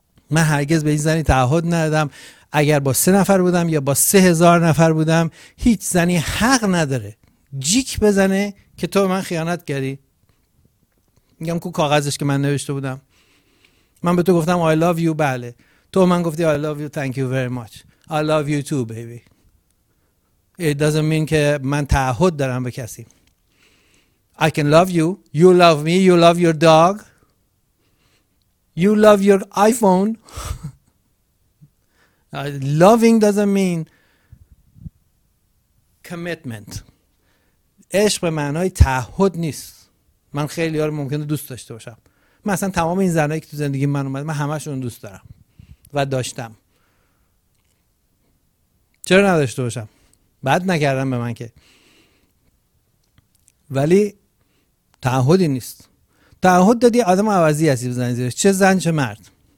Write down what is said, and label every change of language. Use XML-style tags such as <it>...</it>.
<fa>من هرگز به این زنی تعهد ندادم. اگر با 3 نفر بودم یا با 3000 نفر بودم، هیچ زنی حق نداره جیک بزنه که تو من خیانت کردی. میگم کو کاغذش که من نوشته بودم؟ من به تو گفتم</fa> <en>I love you،</en> <fa>بله. تو من گفتی</fa> <en>I love you، thank you very much، I love you too baby. It doesn't mean</en> <fa>که من تعهد دارم به کسی.</fa> <en>I can love you. You love me. You love your dog. You love your iPhone. Loving doesn't mean commitment.</en> <fa>عشق به معنای تعهد نیست. من خیلی یار ممکنه دوست داشته باشم. من اصلا تمام این زنایی که تو زندگی من اومده، من همشون دوست دارم و داشتم. چرا نداشته باشم؟ بد نکردم به من که. ولی تعهدی نیست. تعهد دادی آدم عوضی هستی بزنی زیرش، چه زن چه مرد.</fa>